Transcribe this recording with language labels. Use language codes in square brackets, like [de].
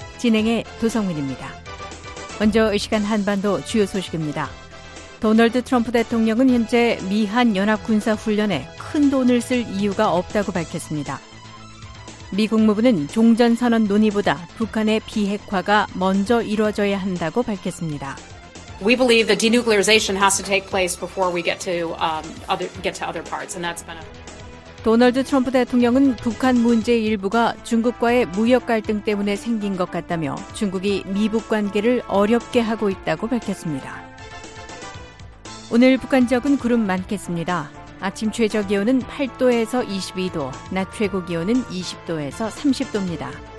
[ko] 진행의 도성민입니다. 먼저 이 시간 한반도 주요 소식입니다. 도널드 트럼프 대통령은 현재 미한 연합군사 훈련에 큰 돈을 쓸 이유가 없다고 밝혔습니다. 미 국무부는 종전선언 논의보다 북한의 비핵화가 먼저 이루어져야 한다고 밝혔습니다. [en] We believe the denuclearization has to take place before we get to other parts, and that's been a [ko] 도널드 트럼프 대통령은 북한 문제의 일부가 중국과의 무역 갈등 때문에 생긴 것 같다며 중국이 미북 관계를 어렵게 하고 있다고 밝혔습니다. 오늘 북한 지역은 구름 많겠습니다. 아침 최저 기온은 8도에서 22도, 낮 최고 기온은 20도에서 30도입니다.